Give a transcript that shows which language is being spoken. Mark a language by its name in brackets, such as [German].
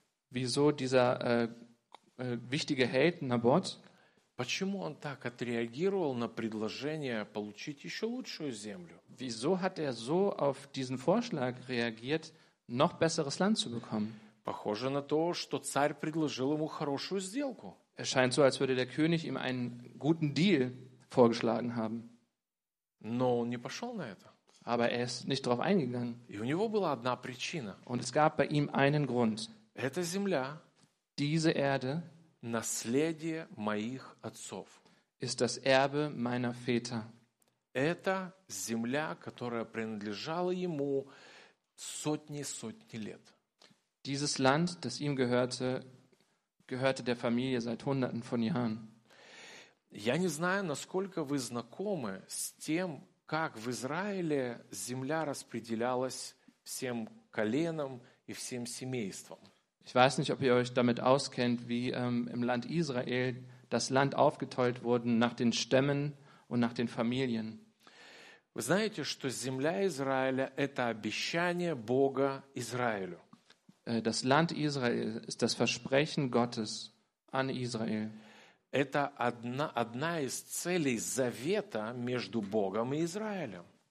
[German] Wieso dieser wichtige Held Набот? [Russian] Почему он так отреагировал на предложение получить еще лучшую землю? [German] Wieso hat so auf diesen Vorschlag reagiert, noch besseres Land zu bekommen? [Russian] Похоже на то, что царь предложил ему хорошую сделку. [German] Es scheint so, als würde der König ihm einen guten Deal vorgeschlagen haben. [Russian] Но он не пошел на это. [German] Aber er ist nicht darauf eingegangen. [Russian] И у него была одна причина. [German] Und es gab bei ihm einen Grund. [Russian] Эта земля, [German] diese Erde, [Russian] наследие моих отцов, [German] ist das Erbe meiner Väter. [Russian] Это земля, которая принадлежала ему сотни лет. [German] Dieses Land, das ihm gehörte, gehörte der Familie seit Hunderten von Jahren. [Russian] Я не знаю, насколько вы знакомы с тем, как в Израиле земля распределялась всем коленам и всем семействам. [German] Ich weiß nicht, ob ihr euch damit auskennt, wie im Land Israel das Land aufgeteilt wurde nach den Stämmen und nach den Familien. [Russian] Вы знаете, что земля Израиля – это обещание Бога Израилю. [German] Das Land Israel ist das Versprechen Gottes an Israel. [Russian] Это одна из целей завета между Богом и Израилем.